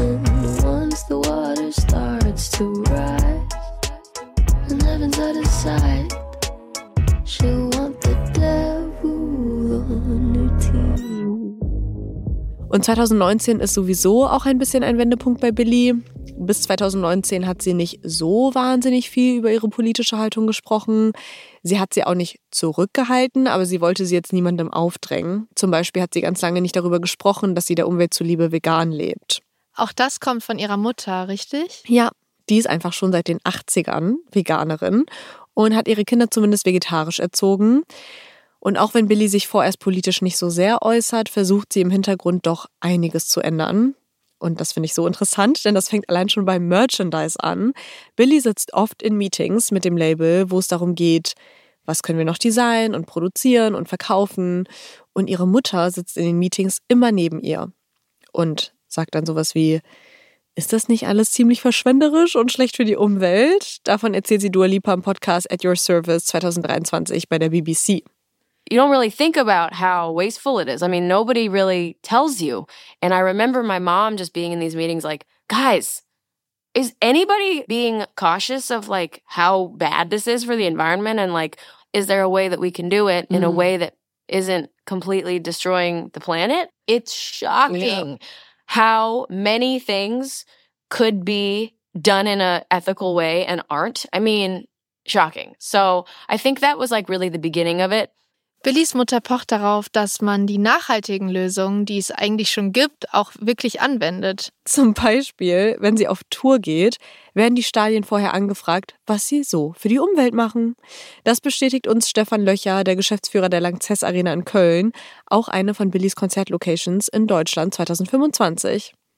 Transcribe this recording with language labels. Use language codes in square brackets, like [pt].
[en] And once the water starts to rise and heaven's out of sight, she'll want the devil on her team. [de] Und 2019 ist sowieso auch ein bisschen ein Wendepunkt bei Billie. Bis 2019 hat sie nicht so wahnsinnig viel über ihre politische Haltung gesprochen. Sie hat sie auch nicht zurückgehalten, aber sie wollte sie jetzt niemandem aufdrängen. Zum Beispiel hat sie ganz lange nicht darüber gesprochen, dass sie der Umwelt zuliebe vegan lebt. Auch das kommt von ihrer Mutter, richtig? Ja, die ist einfach schon seit den 80ern Veganerin und hat ihre Kinder zumindest vegetarisch erzogen. Und auch wenn Billie sich vorerst politisch nicht so sehr äußert, versucht sie im Hintergrund doch einiges zu ändern. Und das finde ich so interessant, denn das fängt allein schon beim Merchandise an. Billie sitzt oft in Meetings mit dem Label, wo es darum geht, was können wir noch designen und produzieren und verkaufen. Und ihre Mutter sitzt in den Meetings immer neben ihr und sagt dann sowas wie: Ist das nicht alles ziemlich verschwenderisch und schlecht für die Umwelt? Davon erzählt sie Dua Lipa im Podcast At Your Service 2023 bei der BBC. [en] You don't really think about how wasteful it is. I mean, nobody really tells you. And I remember my mom just being in these meetings like, guys, is anybody being cautious of like how bad this is for the environment? And like, is there a way that we can do it in a way that isn't completely destroying the planet? It's shocking how many things could be done in an ethical way and aren't. I mean, shocking. So I think that was like really the beginning of it. [de] Billys Mutter pocht darauf, dass man die nachhaltigen Lösungen, die es eigentlich schon gibt, auch wirklich anwendet. Zum Beispiel, wenn sie auf Tour geht, werden die Stadien vorher angefragt, was sie so für die Umwelt machen. Das bestätigt uns Stefan Löcher, der Geschäftsführer der Lanxess Arena in Köln, auch eine von Billys Konzertlocations in Deutschland 2025.